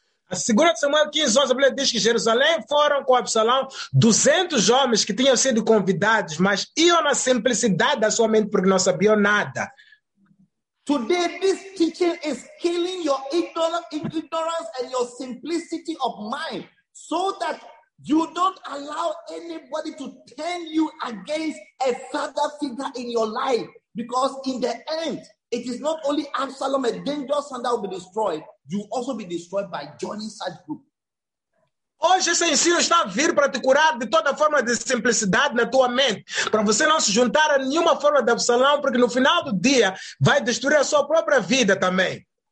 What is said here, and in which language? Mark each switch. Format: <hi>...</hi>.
<pt>A segunda Samuel 15, 11, a Bíblia diz que Jerusalém foram com Absalão 200 homens que tinham sido convidados, mas iam na simplicidade da sua mente porque não sabiam nada.</pt> <en>Today, this teaching is killing your ignorance and your simplicity of mind so that you don't allow anybody to turn you against a father figure in your life. Because in the end, it is not only Absalom, a dangerous son that will be destroyed, you also be destroyed by joining such group.</en> <pt>Hoje esse ensino está a vir para te curar de toda forma de simplicidade na tua mente, para você não se juntar a nenhuma forma de Absalão, porque no final do dia vai destruir a sua própria vida também.</pt>